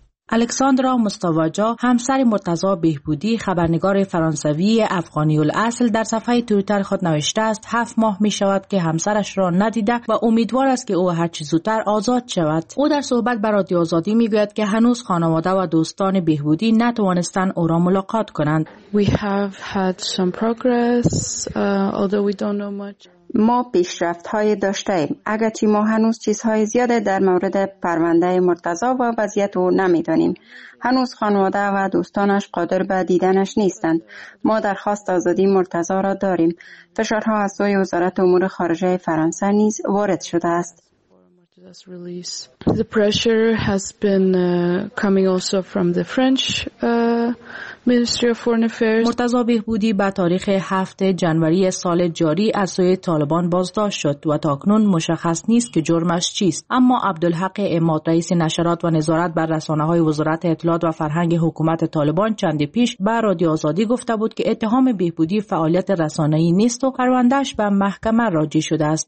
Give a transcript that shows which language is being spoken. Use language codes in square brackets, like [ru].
[fa] الکساندرا مستواجا همسر مرتضی بهبودی خبرنگار فرانسوی افغانی الاصل در صفحه تویتر خود نوشته است 7 ماه می شود که همسرش را ندیده و امیدوار است که او هرچی زودتر آزاد شود. او در صحبت بر رادیو آزادی می گوید که هنوز خانواده و دوستان بهبودی نتوانستند او را ملاقات کنند. [en] We have had some progress, although we don't know much. [fa] ما پیشرفت های داشته ایم، اگرچه ما هنوز چیزهای زیاده در مورد پرونده مرتضی و وضعیت او نمیدانیم. هنوز خانواده و دوستانش قادر به دیدنش نیستند. ما درخواست آزادی مرتضی را داریم. فشارها از سوی وزارت امور خارجه فرانسه نیز وارد شده است. [en] The pressure has been coming also from the French Ministry of Foreign Affairs. [fa] مرتضی بهبودی به تاریخ 7 جنوری سال جاری از سوی طالبان بازداشت شد و تاکنون مشخص نیست که جرمش چیست. اما عبدالحق اماد رئیس نشرات و نظارت بر رسانه‌های وزارت اطلاعات و فرهنگ حکومت طالبان چند پیش به رادیو آزادی گفته بود که اتهام بهبودی فعالیت رسانه‌ای نیست و پرونده‌اش به محکمه راجع شده است.